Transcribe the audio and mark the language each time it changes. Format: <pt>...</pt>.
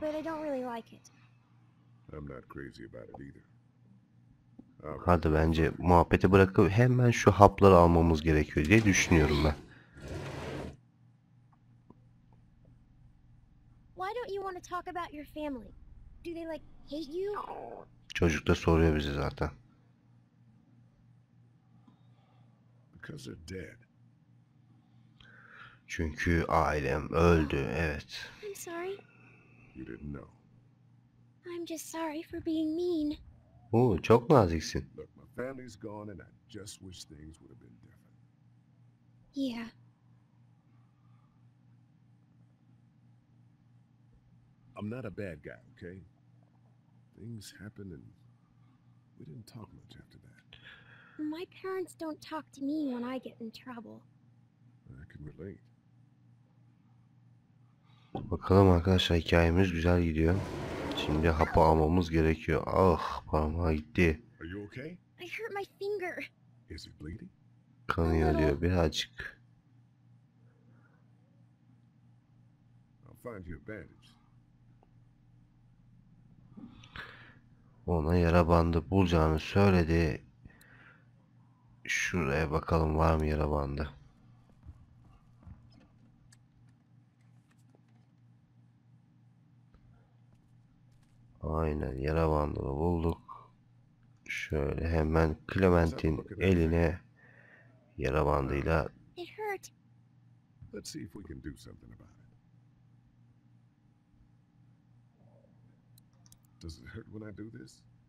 <en>But I don't really like it. I'm not crazy about it either.</en> <tr>Hadi bence muhabbeti bırakıp hemen şu hapları almamız gerekiyor diye düşünüyorum ben.</tr> <en>Why don't you want to talk about your family? Do they like hate you?</en> <tr>Çocuk da soruyor bizi zaten.</tr> <en>Because they're dead.</en> <tr>Çünkü ailem öldü, evet.</tr> <en>I'm sorry. You didn't know. I'm just sorry for being mean.</en> <tr>Oo, çok naziksin.</tr> <en>Look, my family's gone and I just wish things would have been different. Yeah. I'm not a bad guy, okay? Things happened and we didn't talk much after that. My parents don't talk to me when I get in trouble. I can relate.</en> <tr>Bakalım arkadaşlar, hikayemiz güzel gidiyor. Şimdi hapı almamız gerekiyor. Ah, parmağı gitti.</tr> <en>Are you okay? I hurt my finger. Is it bleeding?</en> <tr>Kanıyor diyor birazcık.</tr> <en>I'll find you a bandage.</en> <tr>Ona yara bandı bulacağını söyledi. Şuraya bakalım, var mı yara bandı? Aynen, yara bandı da bulduk. Şöyle hemen Clement'in eline yara bandıyla.</tr> <en>It hurt. Let's see if we can do something about it. Does it hurt when I do this?</en>